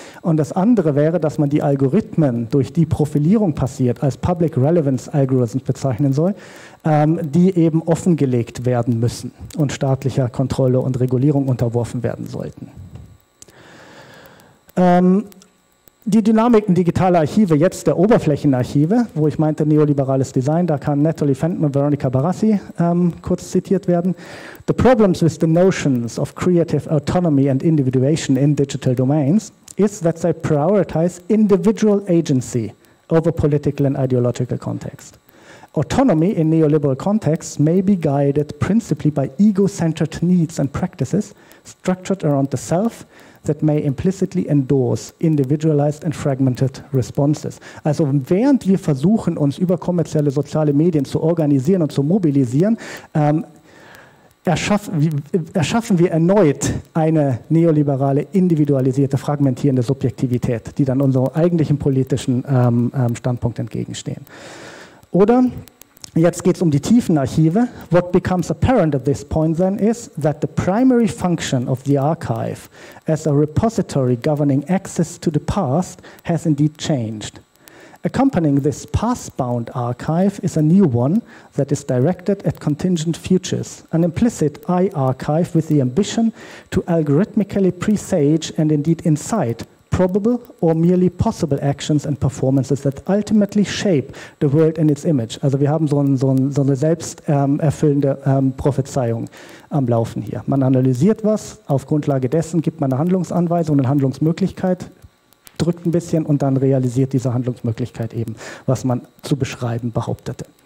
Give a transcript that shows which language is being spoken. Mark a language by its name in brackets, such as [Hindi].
[German] Und das andere wäre, dass man die Algorithmen, durch die Profilierung passiert, als Public Relevance Algorithms bezeichnen soll, die eben offengelegt werden müssen und staatlicher Kontrolle und Regulierung unterworfen werden sollten. Die Dynamiken digitaler Archive, jetzt der Oberflächenarchive, wo ich meinte neoliberales Design, da kann Natalie Fenton und Veronica Barassi kurz zitiert werden. [English] The problems with the notions of creative autonomy and individuation in digital domains is that they prioritize individual agency over political and ideological context. Autonomy in neoliberal contexts may be guided principally by ego-centered needs and practices structured around the self that may implicitly endorse individualized and fragmented responses. [German] Also während wir versuchen, uns über kommerzielle soziale Medien zu organisieren und zu mobilisieren, erschaffen wir erneut eine neoliberale, individualisierte, fragmentierende Subjektivität, die dann unserem eigentlichen politischen Standpunkt entgegenstehen. Oder jetzt geht es um die Tiefenarchive. [English] What becomes apparent at this point then is that the primary function of the archive as a repository governing access to the past has indeed changed. Accompanying this past-bound archive is a new one that is directed at contingent futures, an implicit i-archive with the ambition to algorithmically presage and indeed incite probable or merely possible actions and performances that ultimately shape the world and its image. [German] Also wir haben so eine selbsterfüllende Prophezeiung am Laufen hier. Man analysiert was, auf Grundlage dessen gibt man eine Handlungsanweisung, eine Handlungsmöglichkeit, drückt ein bisschen und dann realisiert diese Handlungsmöglichkeit eben, was man zu beschreiben behauptete.